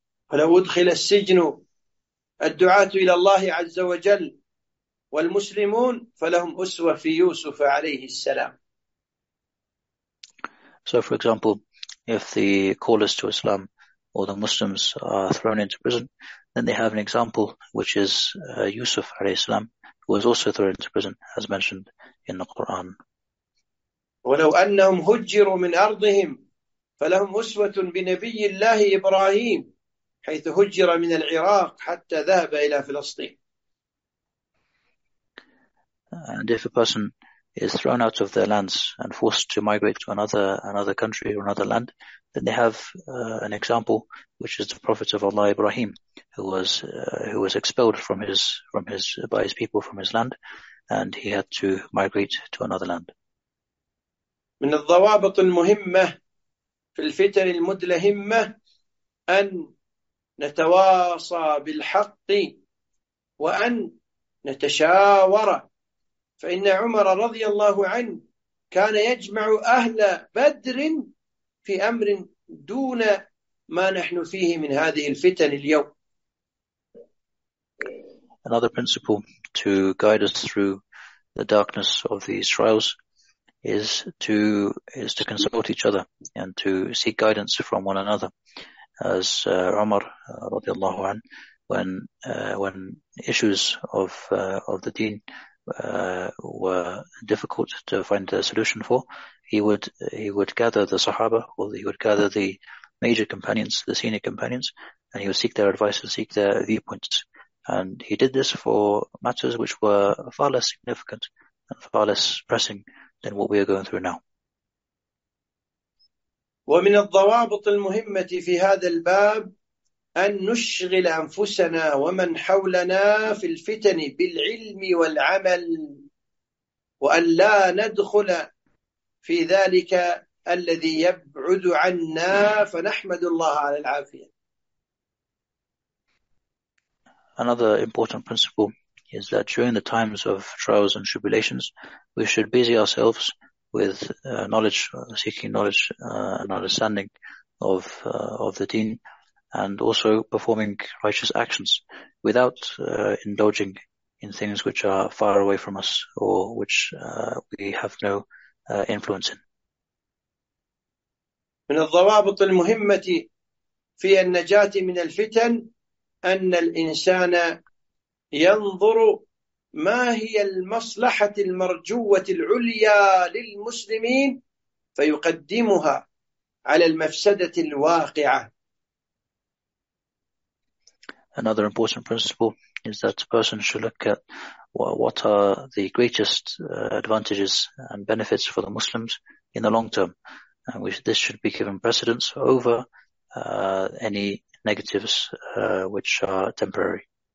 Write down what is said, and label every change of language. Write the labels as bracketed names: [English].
[Arabic] فلو أدخل السجن الدعاة إلى الله عز وجل والمسلمون فلهم أسوة في يوسف عليه السلام. [English] So for example, if the callers to Islam or the Muslims are thrown into prison, then they have an example, which is Yusuf alayhi salam, who was also thrown into prison, as mentioned in the Quran. [Arabic] وَلَوْ أَنَّهُمْ هُجِّرُوا مِنْ أَرْضِهِمْ فَلَهُمْ أُسْوَةٌ بِنَبِيِّ اللَّهِ إِبْرَاهِيمِ حَيْثُ هُجِّرَ مِنَ الْعِرَاقِ حَتَّى ذَهَبَ إِلَى فِلَسْطِينَ. [English] And if a person is thrown out of their lands and forced to migrate to another country or another land, then they have an example, which is the Prophet of Allah Ibrahim, who was expelled by his people from his land, and he had to migrate to another land. [Arabic] من الضوابط المهمة في الفتن المدلهمة أن نتواصى بالحق وأن نتشاور. فإن عمر رضي الله عنه كان يجمع أهل بدر في أمر دون ما نحن فيه من هذه الفتن اليوم. [English] Another principle to guide us through the darkness of these trials is to consult each other and to seek guidance from one another. As Umar radiallahu anhu, when issues of the deen were difficult to find a solution for, he would gather the Sahaba, or he would gather the major companions, the senior companions, and he would seek their advice and seek their viewpoints. And he did this for matters which were far less significant and far less pressing than what we are going through now. [Arabic] ومن الضوابط المهمة في هذا الباب أن نشغل أنفسنا ومن حولنا في الفتن بالعلم والعمل وأن لا ندخل في ذلك الذي يبعد عنا فنحمد الله على العافية. [English] Another important principle is that during the times of trials and tribulations, we should busy ourselves with knowledge, seeking knowledge and understanding of the deen, and also performing righteous actions without indulging in things which are far away from us or which we have no influence in. [Arabic] من الضوابط المهمة في النجاة من الفتن أن الإنسان ينظر ما هي المصلحة المرجوة العليا للمسلمين فيقدمها على المفسدة الواقعة. [English] another important principle is that a person should look at what are the greatest advantages and benefits for the Muslims in the long term. And this should be given precedence over any negatives which are temporary.